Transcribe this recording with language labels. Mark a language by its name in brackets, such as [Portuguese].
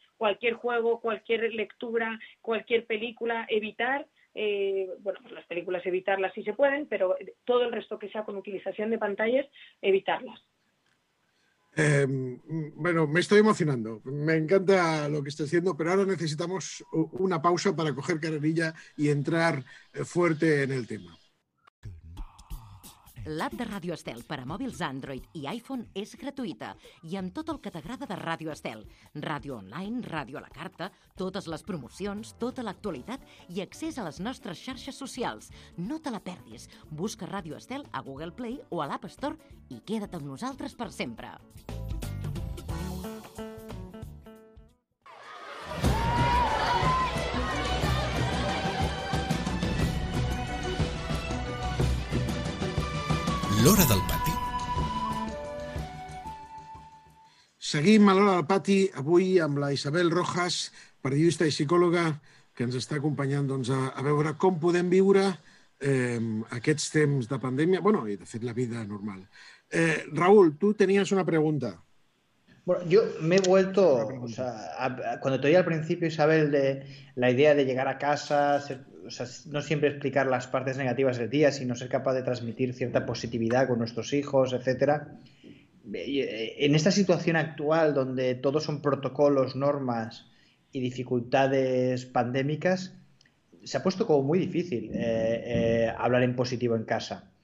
[Spanish] Cualquier juego, cualquier lectura, cualquier película, evitar, bueno, las películas evitarlas si se pueden, pero todo el resto que sea con utilización de pantallas, evitarlas. Bueno, me estoy emocionando, me encanta lo que estás haciendo, pero ahora necesitamos una pausa para coger carrerilla y entrar fuerte en el tema. [Catalan] L'app de Ràdio Estel per a mòbils Android i iPhone és gratuïta i amb tot el que t'agrada de Ràdio Estel. Ràdio online, ràdio a la carta, totes les promocions, tota l'actualitat i accés a les nostres xarxes socials. No te la perdis. Busca Ràdio Estel a Google Play o a l'App Store i queda't amb nosaltres per sempre. L'hora del pati. Seguim a l'hora del pati avui amb la Isabel Rojas, periodista i psicòloga, que ens està acompanyant doncs, a veure com podem viure aquests temps de pandèmia, bueno, i de fet la vida normal. Raúl, tu tenies una pregunta. [Spanish] Bueno, yo me he vuelto, o sea, cuando te oí al principio, Isabel, de la idea de llegar a casa, no siempre explicar las partes negativas del día, sino ser capaz de transmitir cierta positividad con nuestros hijos, etcétera. En esta situación actual, donde todos son protocolos, normas y dificultades pandémicas, se ha puesto como muy difícil hablar en positivo en casa.